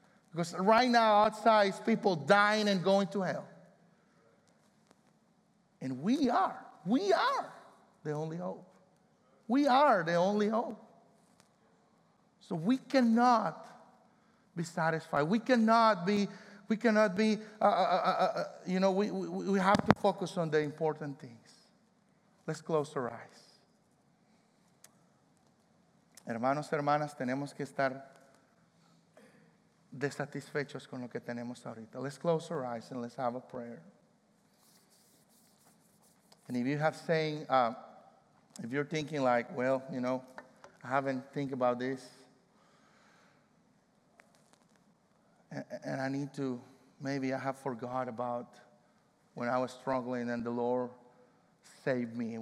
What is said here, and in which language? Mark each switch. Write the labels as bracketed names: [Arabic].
[English] Because right now, outside, it's people dying and going to hell. And we are. We are the only hope. We are the only hope. So we cannot be satisfied. We have to focus on the important things. Let's close our eyes. [Spanish] Hermanos, hermanas, tenemos que estar desatisfechos con lo que tenemos ahorita. [English] Let's close our eyes and let's have a prayer. And if you have saying, if you're thinking like, well, you know, I haven't think about this, and I need to, maybe I have forgot about when I was struggling and the Lord saved me.